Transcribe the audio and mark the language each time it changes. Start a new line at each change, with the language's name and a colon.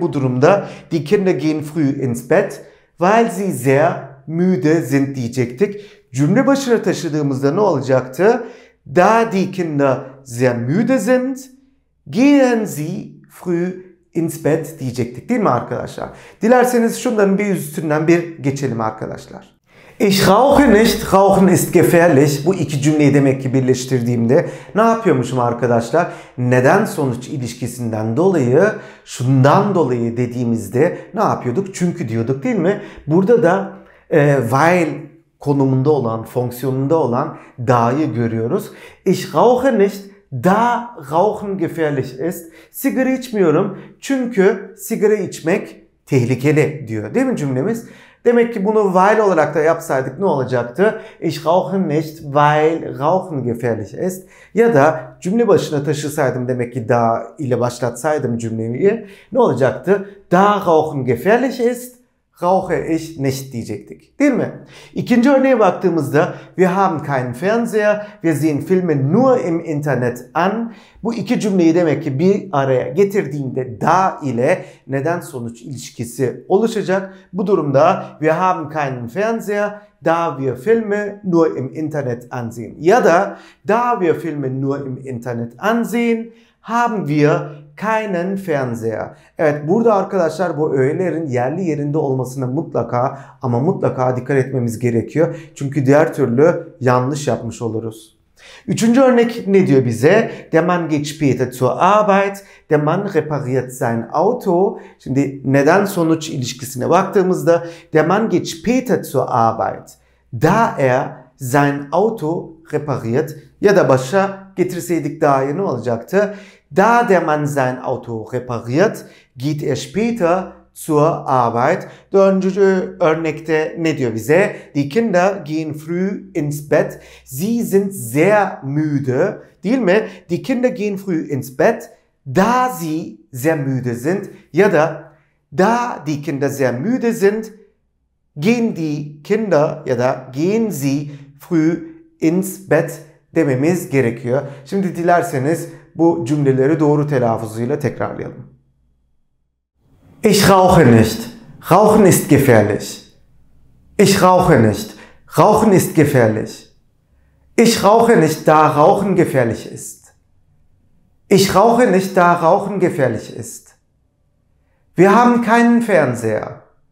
Turkish: Bu durumda
German: die Kinder gehen früh ins Bett. Weil sie sehr müde sind
Turkish: diyecektik. Cümle başına taşıdığımızda ne olacaktı?
German: Da die Kinder sehr müde sind. Gehen sie früh ins Bett
Turkish: diyecektik değil mi arkadaşlar? Dilerseniz şunların bir üstünden bir geçelim arkadaşlar.
German: Ich rauche nicht, rauchen ist gefährlich.
Turkish: Bu iki cümleyi demek ki birleştirdiğimde ne yapıyormuşum arkadaşlar? Neden sonuç ilişkisinden dolayı, şundan dolayı dediğimizde ne yapıyorduk? Çünkü diyorduk değil mi? Burada da weil konumunda olan, fonksiyonunda olan da'yı görüyoruz.
German: Ich rauche nicht, da rauchen gefährlich ist.
Turkish: Sigara içmiyorum çünkü sigara içmek tehlikeli diyor. Değil mi cümlemiz? Demek ki bunu weil olarak da yapsaydık ne olacaktı?
German: Ich rauche nicht, weil rauchen gefährlich ist.
Turkish: Ya da cümle başına taşısaydım demek ki da ile başlatsaydım cümleyi ne olacaktı?
German: Da rauchen gefährlich ist, rauche ich nicht
Turkish: diyecektik. Değil mi? İkinci örneğe baktığımızda
German: wir haben keinen Fernseher, wir sehen Filme nur im Internet an.
Turkish: Bu iki cümleyi demek ki bir araya getirdiğinde da ile neden sonuç ilişkisi oluşacak. Bu durumda
German: wir haben keinen Fernseher, da wir Filme nur im Internet ansehen.
Turkish: Ya da
German: da wir Filme nur im Internet ansehen, haben wir keinen Fernseher.
Turkish: Evet, burada arkadaşlar bu öğelerin yerli yerinde olmasına mutlaka ama mutlaka dikkat etmemiz gerekiyor. Çünkü diğer türlü yanlış yapmış oluruz. Üçüncü örnek ne diyor bize?
German: Der Mann geht später zur Arbeit. Der Mann repariert sein Auto.
Turkish: Şimdi neden sonuç ilişkisine baktığımızda
German: der Mann geht später zur Arbeit. Da er sein Auto repariert.
Turkish: Ya da başa getirseydik daha iyi ne olacaktı?
German: Da der Mann sein Auto repariert, geht später zur Arbeit.
Turkish: Dördüncü örnekte ne diyor bize?
German: Die Kinder gehen früh ins Bett. Sie sind sehr müde.
Turkish: Değil mi?
German: Die Kinder gehen früh ins Bett, da sie sehr müde sind.
Turkish: Ya da
German: da die Kinder sehr müde sind, gehen die Kinder
Turkish: ya da
German: gehen sie früh ins Bett
Turkish: dememiz gerekiyor. Şimdi dilerseniz bu cümleleri doğru telaffuzuyla tekrarlayalım.
German: Ich rauche nicht. Rauchen ist gefährlich. Ich rauche nicht. Rauchen ist gefährlich. Ich rauche nicht, da rauchen gefährlich ist. Ich rauche nicht, da rauchen gefährlich ist. Wir haben keinen Fernseher.